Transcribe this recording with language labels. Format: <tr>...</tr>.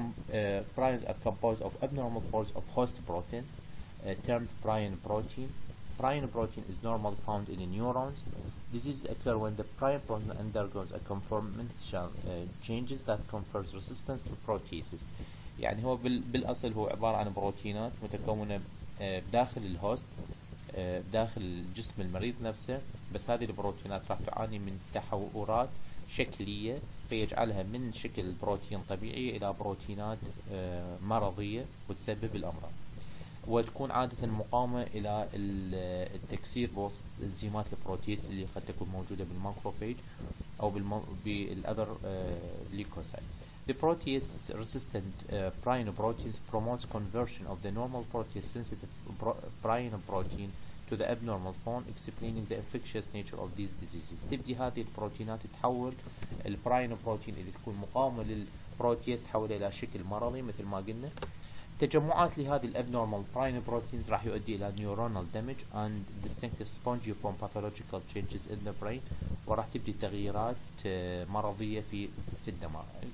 <en>Prions are composed of abnormal folds of host proteins, termed prion protein. Prion protein is normally found in the neurons. Diseases occur when the prion protein undergoes a conformational changes that confers resistance to proteases.</en> <ar>يعني هو بالأصل هو عبارة عن بروتينات متكونة بداخل الهوست بداخل جسم المريض نفسه. بس هذه البروتينات راح تعاني من تحورات شكلية فيجعلها من شكل بروتين طبيعي إلى بروتينات مرضية وتسبب الأمراض، وتكون عادة مقاومة إلى التكسير بواسطة إنزيمات البروتيس اللي قد تكون موجودة بالماكروفاج أو بالأذر ليكوسايت.</ar> <en>The protease-resistant prion proteins promotes conversion of the normal protease-sensitive prion protein to the abnormal form, explaining the infectious nature of these diseases.</en> <ar>تبدي هذه البروتينات تحول البراين بروتين اللي تكون مقاومة للبروتيز تحولها إلى شكل مرضي مثل ما قلنا. تجمعات لهذه الابنورمال براين بروتينز راح يؤدي إلى نيورونال دامج</ar> <en>and distinctive spongiform pathological changes in the brain،</en> <ar>وراح تبدي تغييرات مرضية في الدماغ.</ar>